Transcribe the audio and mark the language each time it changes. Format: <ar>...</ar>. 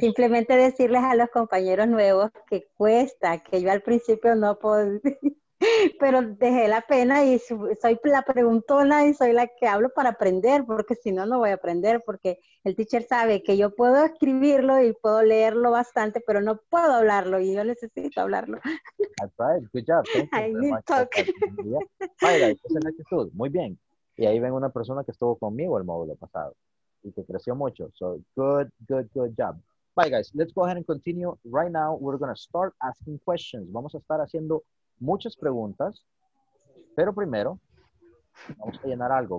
<es>Simplemente decirles a los compañeros nuevos que cuesta, que yo al principio no puedo, pero dejé la pena y soy la preguntona y soy la que hablo para aprender, porque si no, no voy a aprender, porque el teacher sabe que yo puedo escribirlo y puedo leerlo bastante, pero no puedo hablarlo y yo necesito hablarlo.</es> <en>That's right. Good job. Thank you. I need talk. Hi, guys.</en> <es>Esa es la actitud. Muy bien. Y ahí ven una persona que estuvo conmigo el módulo pasado y que creció mucho.</es> <en>So, good job. Bye, guys. Let's go ahead and continue. Right now, we're going to start asking questions.</en> <es>Vamos a estar haciendo muchas preguntas, pero primero vamos a llenar algo.</es>